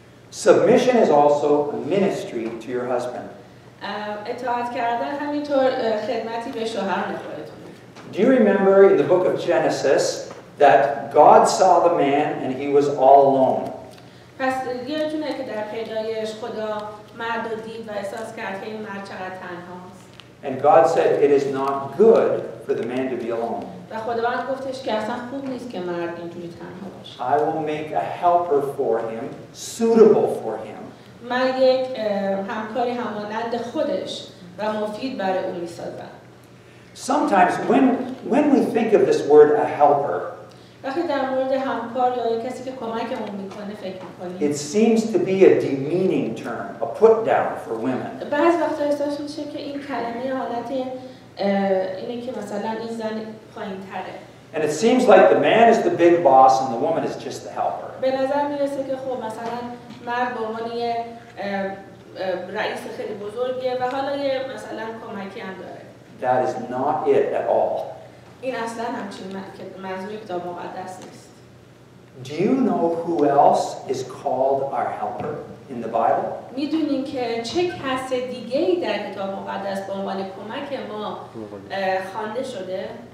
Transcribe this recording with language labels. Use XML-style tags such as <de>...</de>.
<en>Submission is also a ministry to your husband.</en> <fa>اطاعت کردن همینطور خدمتی به شوهر میخوره.</fa> <en>Do you remember in the book of Genesis that God saw the man and he was all alone?</en> <fa>پس یادتونه که در پیدایش خدا مرد رو دید و احساس کرد که این مرد چقدر تنهاست.</fa> <en>And God said, "It is not good for the man to be alone."</en> <fa>و خداوند گفتش که اصلا خوب نیست که مرد اینجوری تنها باشه.</fa> <en>I will make a helper for him, suitable for him.</en> <fa>من یک همکاری همانند خودش و مفید برای او می‌سازم.</fa> <en>Sometimes when we think of this word a helper,</en> <fa>وقتی در مورد همکار یا کسی که کمکمون میکنه فکر میکنیم.</fa> <en>It seems to be a demeaning term, a put down for women.</en> <fa>بعض وقتا احساس میشه که این کلمه حالت اینه که مثلا این زن پایین تره.</fa> <en>And it seems like the man is the big boss and the woman is just the helper.</en> <fa>به نظر میرسه که خب مثلا مرد به عنوان یه رئیس خیلی بزرگیه و حالا یه مثلا کمکی هم داره.</fa> <en>That is not it at all.</en> <fa>این اصلا همچین منظوری که دارم مقدس نیست.</fa> <en>Do you know who else is called our helper in the Bible?</en> <fa>میدونین که چه کس دیگه ای در کتاب مقدس به عنوان کمک ما خوانده شده؟</fa>